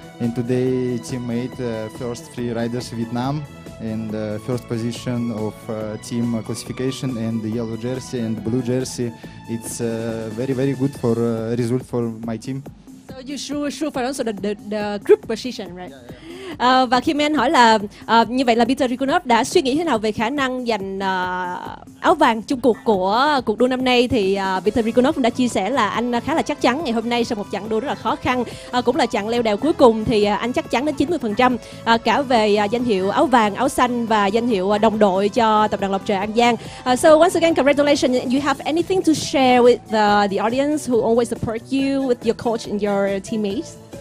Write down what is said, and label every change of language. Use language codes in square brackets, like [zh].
[en] And today teammate first three riders Vietnam, and first position of team classification, and the yellow jersey and blue jersey. It's very, very good for result for my team. So you sure for also the group position, right? Yeah, yeah. [vi] Và khi mà anh hỏi là như vậy là Peter Rikunov đã suy nghĩ thế nào về khả năng giành áo vàng chung cuộc của cuộc đua năm nay, thì Peter Rikunov cũng đã chia sẻ là anh khá là chắc chắn ngày hôm nay sau một chặng đua rất là khó khăn, cũng là chặng leo đèo cuối cùng, thì anh chắc chắn đến 90% cả về danh hiệu áo vàng, áo xanh và danh hiệu đồng đội cho tập đoàn Lộc Trời An Giang. [en] So once again, congratulations. You have anything to share with the audience who always support you, with your coach and your teammates?